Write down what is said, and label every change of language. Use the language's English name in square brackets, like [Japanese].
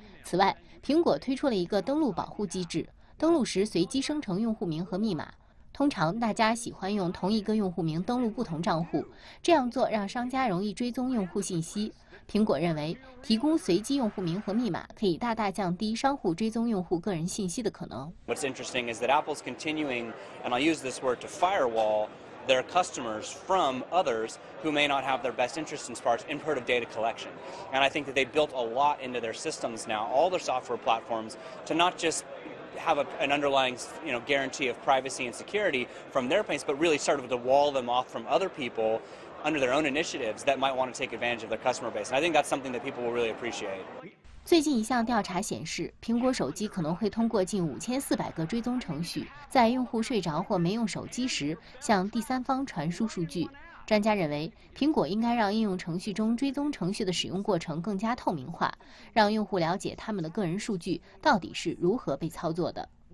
[Chinese] 此外，苹果推出了一个登录保护机制，登录时随机生成用户名和密码。通常大家喜欢用同一个用户名登录不同账户，这样做让商家容易追踪用户信息。苹果认为，提供随机用户名和密码可以大大降低商户追踪用户个人信息的可能。 [English] What's interesting is that Apple's continuing, and I'll use this word, to firewall their customers from others who may not have their best interests in part in part of data collection. And I think that they built a lot into their systems now, all their software platforms, to not just have an underlying, you know, guarantee of privacy and security from their place, but really sort of to wall them off from other people. Under their own initiatives that might want to take advantage of their customer base. I think that's something that people will really appreciate. [Chinese] 最近一项调查显示，苹果手机可能会通过近5400个追踪程序，在用户睡着或没用手机时向第三方传输数据。专家认为，苹果应该让应用程序中追踪程序的使用过程更加透明化，让用户了解他们的个人数据到底是如何被操作的。